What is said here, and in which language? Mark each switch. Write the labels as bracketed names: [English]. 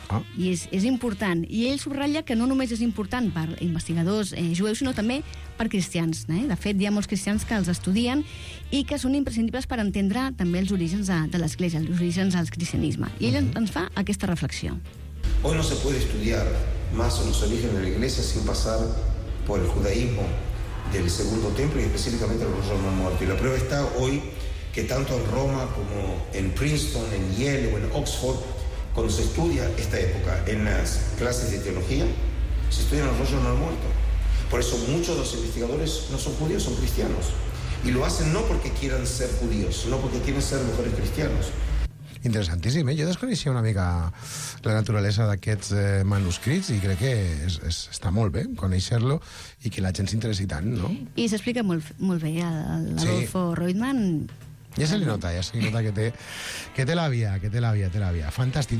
[Catalan] Ah. I és important. I ell subratlla que no només és important per investigadors jueus, sinó també per cristians. De fet, hi ha molts cristians que els estudien i que són imprescindibles per entendre també els orígens de l'Església, els orígens del cristianisme. I ell ens fa aquesta reflexió. [Spanish] Hoy no se puede estudiar más los orígenes de la Iglesia sin pasar por el judaísmo del segundo templo y específicamente los romanos muertos. Y la prueba está hoy que tanto en Roma como en Princeton, en Yale o en Oxford, cuando se estudia esta época en las clases de teología, se estudian los rollos no muertos. Por eso muchos de los investigadores no son judíos, son cristianos. Y lo hacen no porque quieran ser judíos, sino porque quieren ser mejores cristianos. [Catalan] Interessantíssim, eh? Jo desconeixia una mica la naturalesa d'aquests manuscrits i crec que està molt bé conèixer-lo i que la gent s'interessi tant, no? I s'explica molt, molt bé l'Adolfo Reutemann. Ja se li nota, ja se li nota que té l'àvia, que té l'àvia, té l'àvia. Fantàstic.